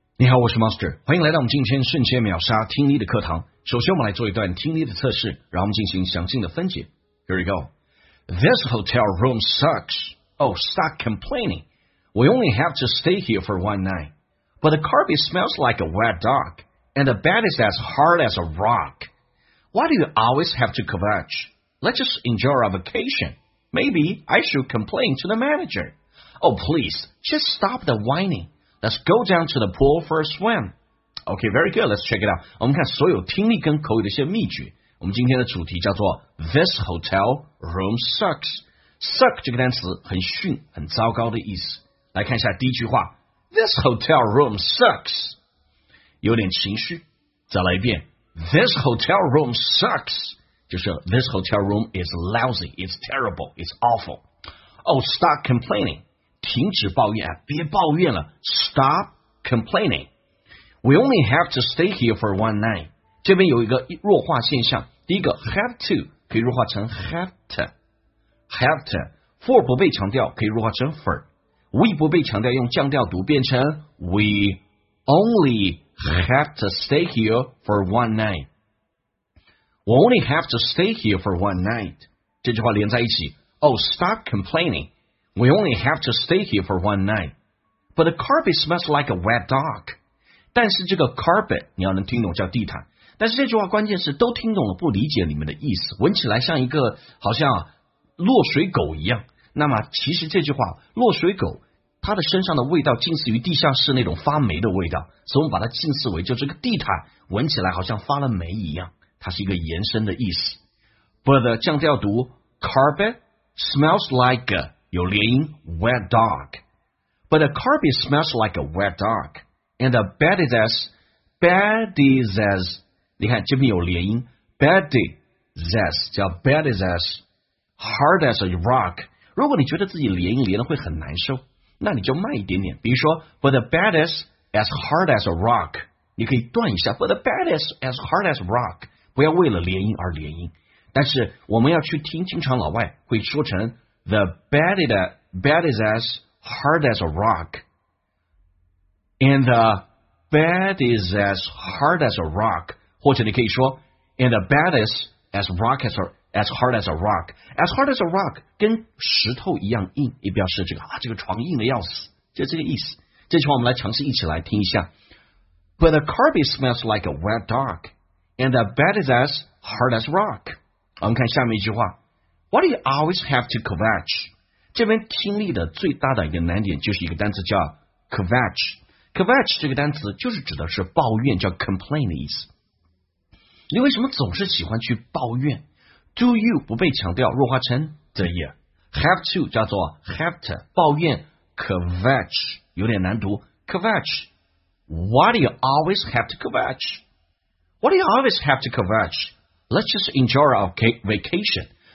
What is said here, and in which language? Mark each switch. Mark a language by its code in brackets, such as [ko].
[zh] 你好，我是 Master， 欢迎来到我们今天瞬间秒杀听力的课堂。首先我们来做一段听力的测试，然后我们进行详细的分解。 [en] Here we go. This hotel room sucks. Oh, stop complaining. We only have to stay here for one night. But the carpet smells like a wet dog, and the bed is as hard as a rock. Why do you always have to kvetch? Let's just enjoy our vacation. Maybe I should complain to the manager. Oh, please, just stop the whining. Let's go down to the pool for a swim. Okay, very good. Let's check it out. [zh] 我们看所有听力跟口语的一些秘诀。我们今天的主题叫做 [en] This hotel room sucks. [zh] Suck 这个单词很逊，很糟糕的意思。来看一下第一句话。 [en] This hotel room sucks. [zh] 有点情绪。再来一遍。 [en] This hotel room sucks. [zh] 就是 [en] This hotel room is lousy. It's terrible. It's awful. Oh, stop complaining. [zh] 停止抱怨，别抱怨了。 [en] Stop complaining. We only have to stay here for one night. [zh] 这边有一个弱化现象。第一个 [en] have to [zh] 可以弱化成 have to. For 不被强调可以弱化成 for. We 不被强调用降调读变成 [en] we only have to stay here for one night. We only have to stay here for one night. [zh] 这句话连在一起。 [en] Oh, stop complaining. We only have to stay here for one night. But the carpet smells like a wet dog. [zh] 但是这个 carpet, 你要能听懂叫地毯。但是这句话关键是都听懂了不理解里面的意思。闻起来像一个好像落水狗一样。那么其实这句话落水狗它的身上的味道近似于地下室那种发霉的味道。所以我们把它近似为就这个地毯闻起来好像发了霉一样。它是一个延伸的意思。 [en] But the [zh] 降调读 [en] carpet smells like a, [zh] 有连音 [en] wet dog. But the carpet smells like a wet dog. And the bed is as, bed is as, [zh] 你看这边有连音 [en] bed is as, 叫 bed is as, hard as a rock. [zh] 如果你觉得自己连音连的会很难受，那你就慢一点点。比如说 [en] but the bed is as hard as a rock. [zh] 你可以断一下 [en] but the bed is as hard as rock. [zh] 不要为了连音而连音。但是我们要去听经常老外会说成 [en] The bed is as hard as a rock. And the bed is as hard as a rock. 或者你可以说 And the bed is as, rock as, a, as hard as a rock. As hard as a rock [zh] 跟石头一样硬也表示这个啊，这个床硬的要死就这个意思。这句话我们来尝试一起来听一下。 [en] But the carpet smells like a wet dog. And the bed is as hard as rock. [zh] 我们看下面一句话。 [en] Why do you always have to kvetch? [zh] 这边听力的最大的一个难点就是一个单词叫 kvetch. Kvetch 这个单词就是指的是抱怨，叫 complain 的意思。你为什么总是喜欢去抱怨？ [en] Do you [zh] 不被强调，弱化成 [en] do you. Have to [zh] 叫做 [en] have to, 抱怨 kvetch, [zh] 有点难读 [en] kvetch. Why do you always have to kvetch? Why do you always have to kvetch? Let's just enjoy our vacation.